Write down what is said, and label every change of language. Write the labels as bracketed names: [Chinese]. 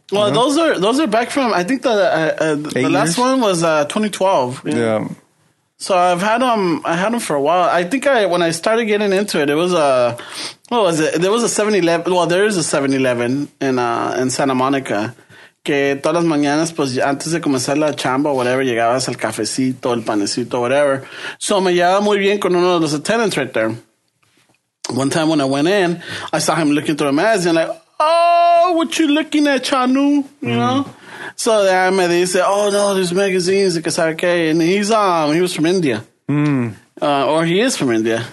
[English] Well, yeah. those are back from, I think the last one was 2012. Yeah. Yeah. So I had them for a while. I think when I started getting into it, there was a 7-Eleven. Well, there is a 7-Eleven in Santa Monica. [Spanish] Que todas las mañanas, pues antes de comenzar la chamba o whatever, llegabas al cafecito, el panecito, whatever. So me llevaba muy bien con uno de los attendants [English] right there. One time when I went in, I saw him looking through a magazine, like, oh, what you looking at, Chanu? You know? So then [Spanish] me dice, [English] oh, no, there's magazines, [Spanish] que sabe qué. [English] And he was from India. Mm. Or he is from India.